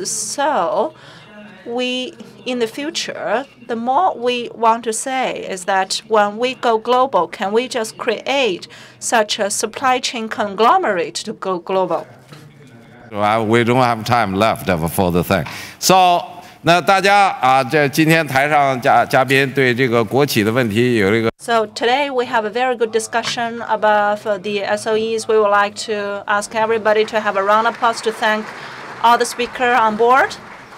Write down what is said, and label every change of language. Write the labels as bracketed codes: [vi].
[en] So we, in the future, the more we want to say is that when we go global, can we just create such a supply chain conglomerate to go global? Well, we don't have time left for the thing. [zh] So, 那大家啊，这今天台上嘉宾对这个国企的问题有一个。 [en] So today we have a very good discussion about the SOEs. We would like to ask everybody to have a round of applause to thank all the speakers on board.